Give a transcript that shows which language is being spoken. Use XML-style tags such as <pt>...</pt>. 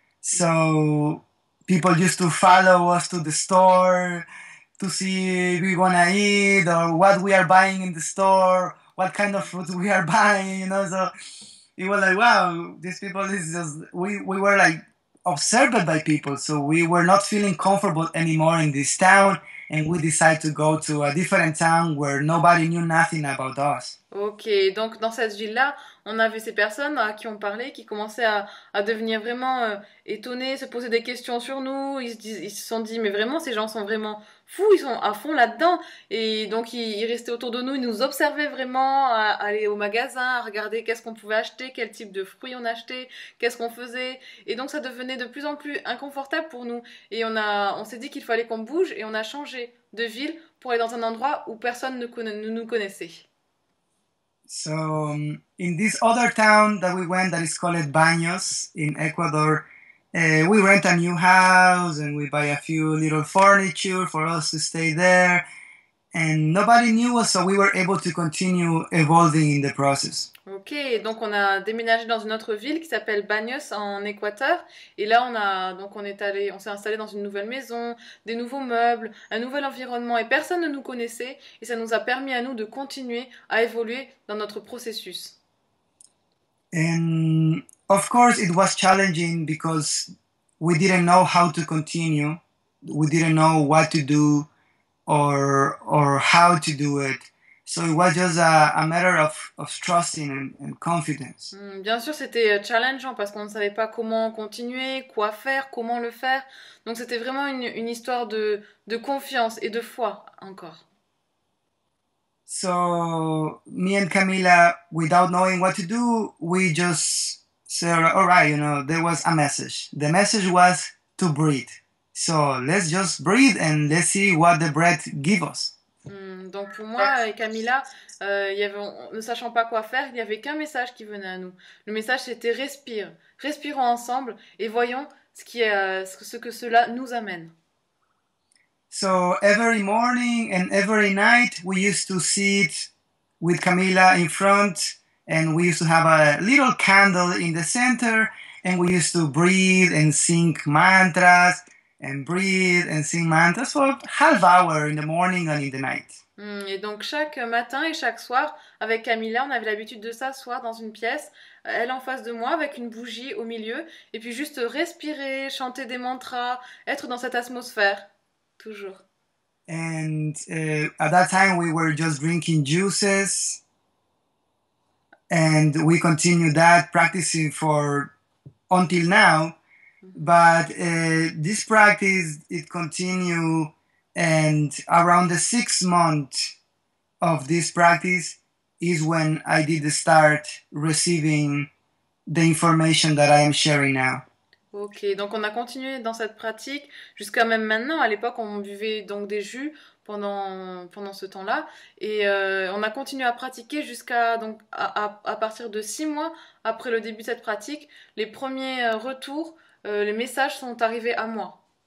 <en>So people used to follow us to the store to see if we wanna eat or what we are buying in the store, what kind of food we are buying, you know. So it was like, wow, these people, this is just, we were like observed by people, so we were not feeling comfortable anymore in this town, and we decided to go to a different town where nobody knew nothing about us.</en> <fr>Ok, donc dans cette ville-là, on avait ces personnes à qui on parlait, qui commençaient à devenir vraiment étonnées, se poser des questions sur nous. Ils se sont dit, mais vraiment, ces gens sont vraiment fous, ils sont à fond là-dedans. Et donc ils restaient autour de nous, ils nous observaient vraiment, à aller au magasin, à regarder qu'est-ce qu'on pouvait acheter, quel type de fruits on achetait, qu'est-ce qu'on faisait. Et donc ça devenait de plus en plus inconfortable pour nous. Et on s'est dit qu'il fallait qu'on bouge et on a changé de ville pour aller dans un endroit où personne ne nous connaissait.</fr> <en>So in this other town that we went, that is called Baños in Ecuador, we rent a new house and we buy a few little furniture for us to stay there. And nobody knew us, so we were able to continue evolving in the process.</en> <fr>Ok, donc on a déménagé dans une autre ville qui s'appelle Baños en Équateur. Et là, on s'est installé dans une nouvelle maison, des nouveaux meubles, un nouvel environnement. Et personne ne nous connaissait. Et ça nous a permis à nous de continuer à évoluer dans notre processus.</fr> <en>And of course, it was challenging because we didn't know how to continue. We didn't know what to do or how to do it. So it was just a matter of trusting and confidence.</en> <fr>Bien sûr, c'était challengeant parce qu'on ne savait pas comment continuer, quoi faire, comment le faire. Donc c'était vraiment une histoire de confiance et de foi encore.</fr> <en>So me and Camila, without knowing what to do, we just said, all right, there was a message. The message was to breathe. So let's just breathe and let's see what the breath give us.</en> <fr>Donc pour moi et Camilla, ne sachant pas quoi faire, il n'y avait qu'un message qui venait à nous. Le message c'était respire, respirons ensemble et voyons ce que cela nous amène.</fr> <en>So every morning and every night, we used to sit with Camila in front, and we used to have a little candle in the center, and we used to breathe and sing mantras and breathe and sing mantras for half hour in the morning and in the night.</en> <fr>Et donc chaque matin et chaque soir, avec Camilla, on avait l'habitude de s'asseoir dans une pièce, elle en face de moi, avec une bougie au milieu, et puis juste respirer, chanter des mantras, être dans cette atmosphère, toujours.</fr> <en>And at that time, we were just drinking juices, and we continued that practicing for until now. But this practice, it continued, and around the 6 month of this practice is when I did start receiving the information that I am sharing now.</en> <fr>Ok, donc on a continué dans cette pratique jusqu'à même maintenant. À l'époque, on buvait donc des jus pendant ce temps-là. Et on a continué à pratiquer jusqu'à donc à partir de 6 mois après le début de cette pratique. Les premiers retours, les messages sont arrivés à moi.</fr>